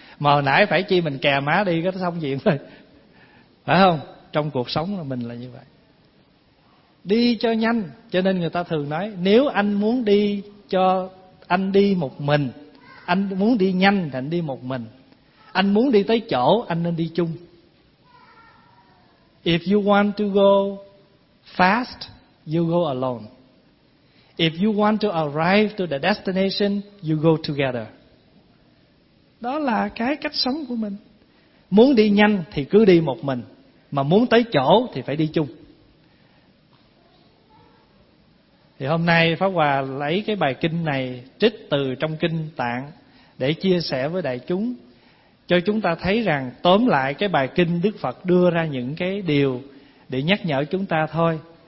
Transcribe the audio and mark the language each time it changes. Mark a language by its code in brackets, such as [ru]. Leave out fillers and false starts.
[vi] Mà hồi nãy phải chi mình kè má đi cái xong chuyện thôi. Phải không? Trong cuộc sống là mình là như vậy. Đi cho nhanh, cho nên người ta thường nói, nếu anh muốn đi cho anh đi một mình, anh muốn đi nhanh thì anh đi một mình. Anh muốn đi tới chỗ anh nên đi chung. [en] If you want to go fast, you go alone. If you want to arrive to the destination, you go together. [vi] Đó là cái cách sống của mình. Muốn đi nhanh thì cứ đi một mình, mà muốn tới chỗ thì phải đi chung. Thì hôm nay Pháp Hòa lấy cái bài kinh này trích từ trong kinh Tạng để chia sẻ với đại chúng, cho chúng ta thấy rằng tóm lại cái bài kinh Đức Phật đưa ra những cái điều để nhắc nhở chúng ta thôi.